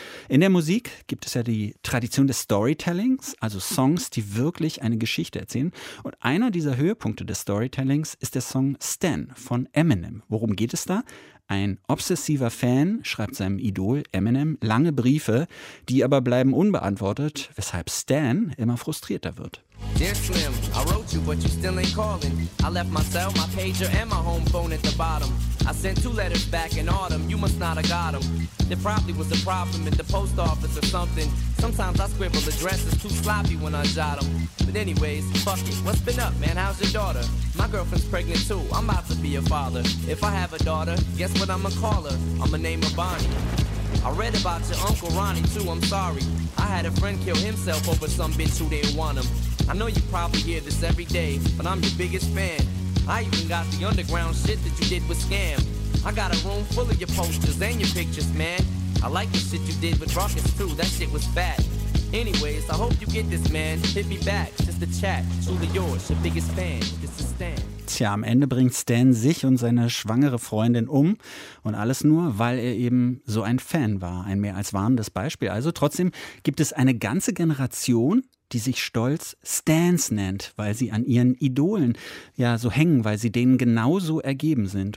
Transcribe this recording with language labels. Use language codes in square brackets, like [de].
[de] In der Musik gibt es ja die Tradition des Storytellings, also Songs, die wirklich eine Geschichte erzählen. Und einer dieser Höhepunkte des Storytellings ist der Song Stan von Eminem. Worum geht es da? Ein obsessiver Fan schreibt seinem Idol Eminem lange Briefe, die aber bleiben unbeantwortet, weshalb Stan immer frustrierter wird. [en] Dear Slim, I wrote you, but you still ain't calling. I left my cell, my pager and my home phone at the bottom. I sent two letters back in autumn, you must not have got them. There probably was a problem at the post office or something. Sometimes I scribble addresses too sloppy when I jot them. But anyways, fuck it, what's been up, man, how's your daughter? My girlfriend's pregnant too, I'm about to be a father. If I have a daughter, guess what I'ma call her? I'ma name her Bonnie. I read about your Uncle Ronnie too, I'm sorry. I had a friend kill himself over some bitch who didn't want him. I know you probably hear this every day, but I'm your biggest fan. I even got the underground shit that you did with Scam. I got a room full of your posters and your pictures, man. I like the shit you did with Rockets too, that shit was fat. Anyways, I hope you get this, man. Hit me back, just a chat. Truly yours, your biggest fan. This is Stan. [de] Tja, am Ende bringt Stan sich und seine schwangere Freundin um. Und alles nur, weil er eben so ein Fan war. Ein mehr als warnendes Beispiel. Also trotzdem gibt es eine ganze Generation, die sich stolz Stans nennt, weil sie an ihren Idolen ja so hängen, weil sie denen genauso ergeben sind.